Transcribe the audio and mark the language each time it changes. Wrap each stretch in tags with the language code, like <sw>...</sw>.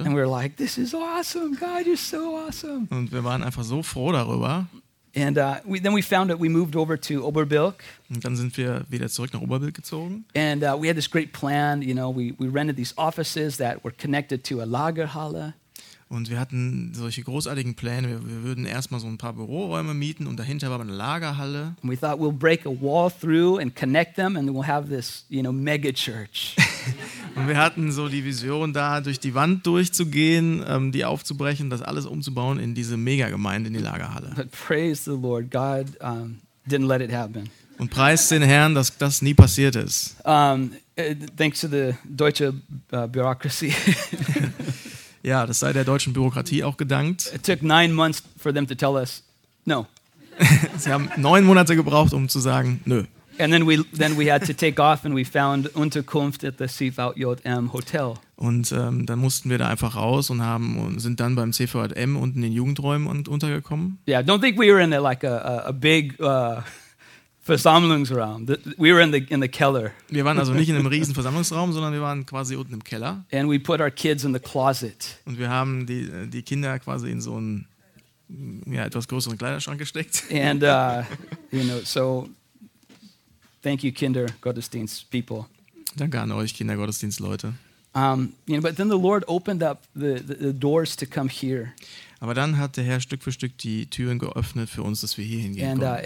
<en>And we're like, this is awesome, God, you're so awesome.</en> <de>Und wir waren einfach so froh darüber.</de> <en>And then we found that we moved over to Oberbilk.</en> <de>Und dann sind wir wieder zurück nach Oberbilk gezogen.</de> <en>And we had this great plan, you know, we rented these offices that were connected to a Lagerhalle.</en> <de>Und wir hatten solche großartigen Pläne. Wir würden erstmal so ein paar Büroräume mieten und dahinter war eine Lagerhalle.</de> <en>And we thought we'll break a wall through and connect them and we'll have this, you know, mega church.</en> <de>Und wir hatten so die Vision, da durch die Wand durchzugehen, die aufzubrechen, das alles umzubauen in diese Megagemeinde, in die Lagerhalle.</de> <en>But praise the Lord, God didn't let it happen.</en> <de>Und preist den Herrn, dass das nie passiert ist.</de> <en>Thanks to the deutsche bureaucracy.</en> <de>Ja, das sei der deutschen Bürokratie auch gedankt.</de> <en>It took 9 months for them to tell us no.</en> <de>Sie haben 9 Monate gebraucht, um zu sagen nö.</de> <en>And then we had to take off and we found Unterkunft at the CVJM Hotel.</en> <de>Und dann mussten wir da einfach raus und sind dann beim CVJM unten in den Jugendräumen und untergekommen.</de> <en>Yeah, don't think we were in a big Versammlungsraum. We were in the Keller.</en> <de>Wir waren also nicht in einem riesen Versammlungsraum, sondern wir waren quasi unten im Keller.</de> <en>And we put our kids in the closet.</en> <de>Und wir haben die Kinder quasi in so einen, ja, etwas größeren Kleiderschrank gesteckt.</de> <en>And you know, so thank you, Kindergottesdienst people.</en> <de>Danke an euch, Kindergottesdienstleute.</de> <en>You know, but then the Lord opened up the doors to come here.</en> <de>Aber dann hat der Herr Stück für Stück die Türen geöffnet für uns, dass wir hier hingehen können.</de>